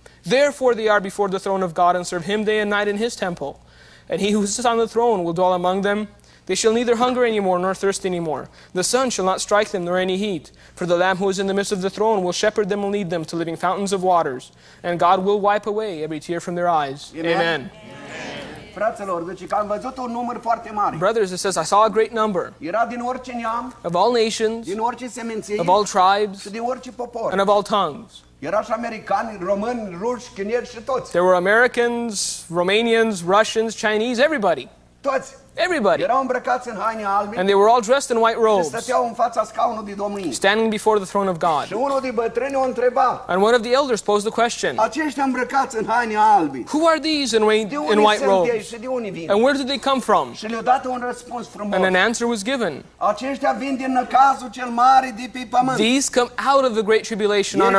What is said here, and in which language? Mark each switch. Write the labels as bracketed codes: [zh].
[en] Therefore they are before the throne of God and serve him day and night in his temple. And he who sits on the throne will dwell among them. They shall neither hunger any more nor thirst any more. The sun shall not strike them nor any heat. For the Lamb who is in the midst of the throne will shepherd them and lead them to living fountains of waters. And God will wipe away every tear from their eyes. Amen. Amen. [ro] Fraților, deci că am văzut un număr foarte mare. [en] Brothers, it says, I saw a great number. [ro] Era din orice neam, [en] of all nations, [ro] din orice seminții, [en] of all tribes, [ro] și din orice popor, [en] and of all tongues. [ro] Era și americani, români, ruși, chinezi și toți. [en] There were Americans, Romanians, Russians, Chinese, everybody. [ro] Toți. [en] Everybody. [ro] Erau îmbrăcați în haine albe. [en] And they were all dressed in white robes. [ro] Și stăteau în fața scaunului domnii. [en] Standing before the throne of God. [ro] Și unul din bătrâni o întreba. [en] And one of the elders posed the question. [ro] Aceștia îmbrăcați în haine albe. [en] Who are these in white robes? And where did they come from? [ro] Și le-a dat un răspuns frumos. [en] And an answer was given. [ro] Aceștia vin din necazul cel mare de pe pământ. [en] These come out of the great tribulation on earth.